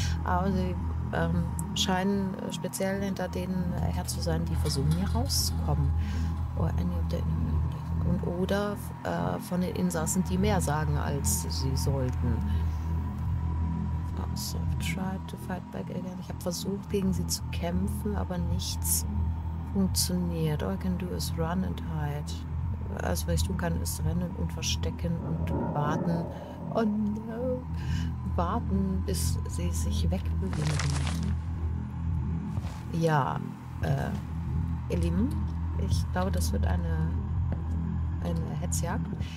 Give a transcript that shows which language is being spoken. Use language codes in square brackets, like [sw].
[de] Aber sie scheinen speziell hinter denen her zu sein, die versuchen hier rauszukommen. Von den Insassen, die mehr sagen, als sie sollten. [en] Also, I've tried to fight back again. [de] Ich habe versucht, gegen sie zu kämpfen, aber nichts funktioniert. [en] All I can do is run and hide. [de] Also, was ich tun kann, ist rennen und verstecken und warten. [en] Oh no. [de] Warten, bis sie sich wegbewegen. Ja, ihr Lieben, ich glaube, das wird eine Hetzjagd.